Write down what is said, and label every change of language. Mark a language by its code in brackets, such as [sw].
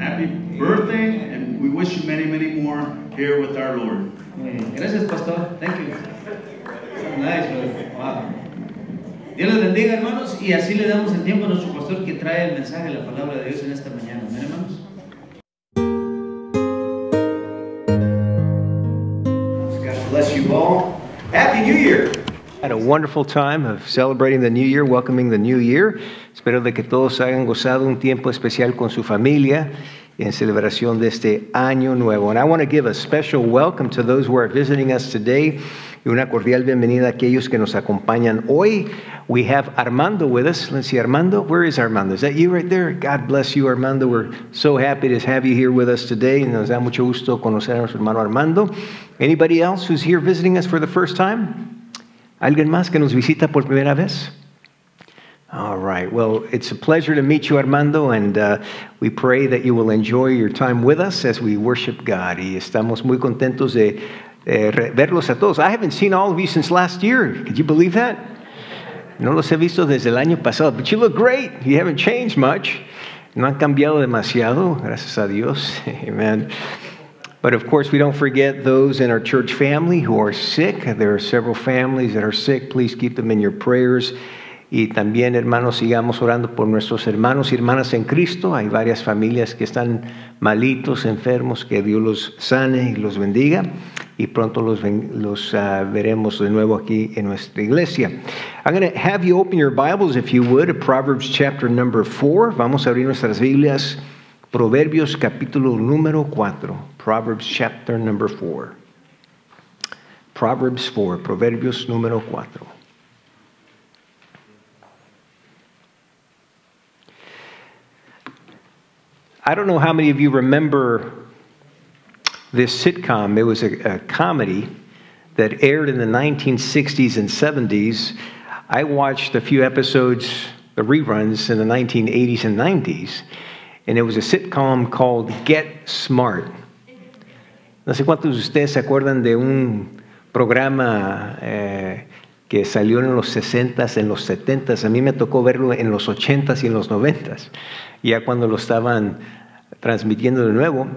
[en] Happy birthday, and we wish you many, many more here with our Lord. [es] Gracias, pastor. [en] Thank you. Nice, wow. [es] Dios les bendiga, hermanos, y así le damos el tiempo a nuestro pastor que trae el mensaje, la palabra de Dios en esta mañana. Amén, hermanos. [en] God bless you all. Happy New Year. Had a wonderful time of celebrating the new year, welcoming the new year. [es] Espero de que todos hayan gozado un tiempo especial con su familia en celebración de este año nuevo. [en] And I want to give a special welcome to those who are visiting us today. [es] Y una cordial bienvenida a aquellos que nos acompañan hoy. [en] We have Armando with us. Let's see, Armando. Where is Armando? Is that you right there? God bless you, Armando. We're so happy to have you here with us today. [es] Nos da mucho gusto conocer a nuestro hermano Armando. [en] Anybody else who's here visiting us for the first time? [es] ¿Alguien más que nos visita por primera vez? [en] All right. Well, it's a pleasure to meet you, Armando, and we pray that you will enjoy your time with us as we worship God. [es] Y estamos muy contentos de verlos a todos. [en] I haven't seen all of you since last year. Could you believe that? [es] No los he visto desde el año pasado. [en] But you look great. You haven't changed much. [es] No han cambiado demasiado, gracias a Dios. [en] Amen. But of course, we don't forget those in our church family who are sick. There are several families that are sick. Please keep them in your prayers. [es] Y también, hermanos, sigamos orando por nuestros hermanos y hermanas en Cristo. Hay varias familias que están malitos, enfermos. Que Dios los sane y los bendiga. Y pronto los veremos de nuevo aquí en nuestra iglesia. [en] I'm going to have you open your Bibles, if you would, Proverbs chapter number 4. [es] Vamos a abrir nuestras Biblias. Proverbios capítulo número 4. [en] Proverbs chapter number 4. Proverbs 4. [es] Proverbios número 4. [en] I don't know how many of you remember this sitcom. It was a comedy that aired in the 1960s and 70s. I watched a few episodes, the reruns, in the 1980s and 90s. And it was a sitcom called Get Smart. [es] No sé cuántos de ustedes se acuerdan de un programa que salió en los 60s, en los 70s. A mí me tocó verlo en los 80s y en los 90s, ya cuando lo estaban transmitiendo de nuevo.